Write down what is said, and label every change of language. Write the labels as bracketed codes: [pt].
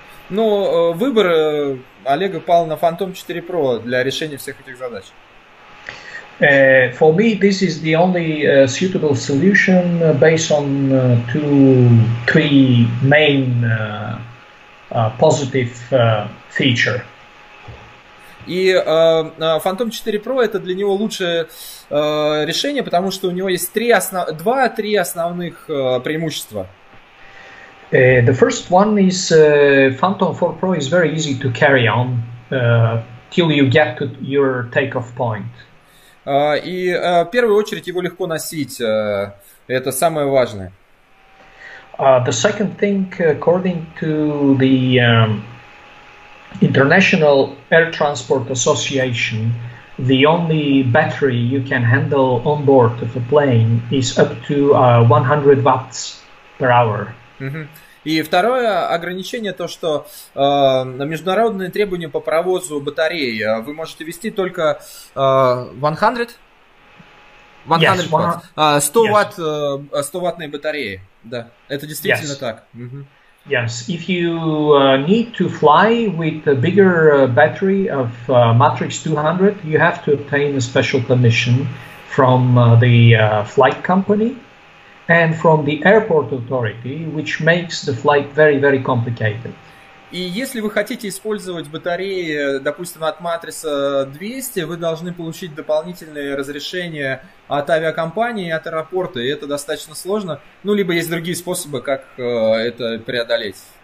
[ru] Ну, выбор Олега пал на Phantom 4 Pro для решения всех этих задач. [en] For me, this is the only suitable solution based on three main positive feature. [ru] И Phantom 4 Pro — это для него лучшее решение, потому что у него есть два-три основных преимущества. [en] The first one is Phantom 4 Pro is very easy to carry on till you get to your takeoff point. [ru] В первую очередь его легко носить. Это самое важное. [en] The second thing, according to the International Air Transport Association, the only battery you can handle on board of a plane is up to 100 watts per hour. [ru] И второе ограничение — то, что международные требования по провозу батареи. Вы можете вести только 100-ваттные батареи. Да, это действительно так. [en] Yes, if you need to fly with a bigger battery of Matrix 200, you have to obtain a special permission from the flight company and from the airport authority, which makes the flight very, very complicated. [ru] И если вы хотите использовать батареи, допустим, от матриса 200, вы должны получить дополнительные разрешения от авиакомпании и от аэропорта, и это достаточно сложно. Ну, либо есть другие способы, как это преодолеть.